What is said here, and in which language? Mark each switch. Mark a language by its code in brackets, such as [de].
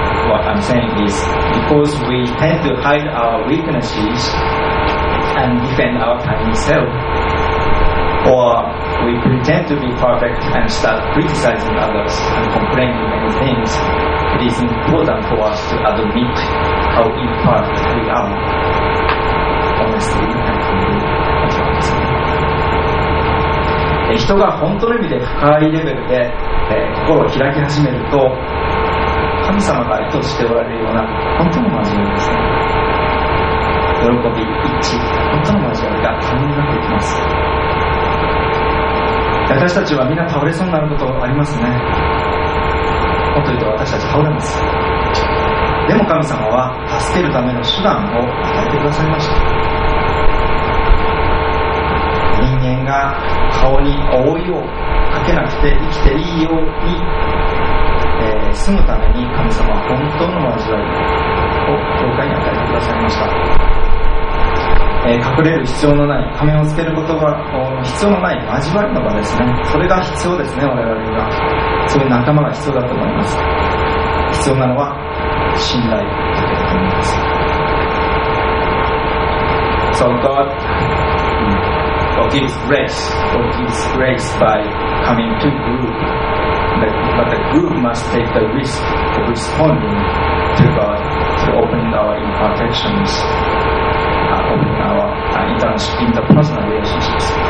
[en] What I'm saying is because we tend to hide our weaknesses and defend our tiny self, or we pretend to be perfect and start criticizing others and complaining many things, it is important for us to admit how imperfect we are, honestly and completely. [ja] 人が本当の意味で深いレベルで心を開き始めると、神様が意図しておられるような本当の交わりですね、喜び、一致、本当の交わりが可能になってきます。私たちはみんな倒れそうになることありますね。もっと言うと私たち倒れます。でも神様は助けるための手段を与えてくださいました。人間が顔に覆いをかけなくて生きていいように、住むために神様は本当の交わりを教会に与えてくださいました。隠れる必要のない、仮面をつけることが必要のない交わりの場ですね。それが必要ですね。我々にはそういう仲間が必要だと思います。必要なのは信頼だと思います。 [en] So GodGives grace by coming to group, but the group must take the risk of responding to God to open our imperfections, open our internship in the personal relationships.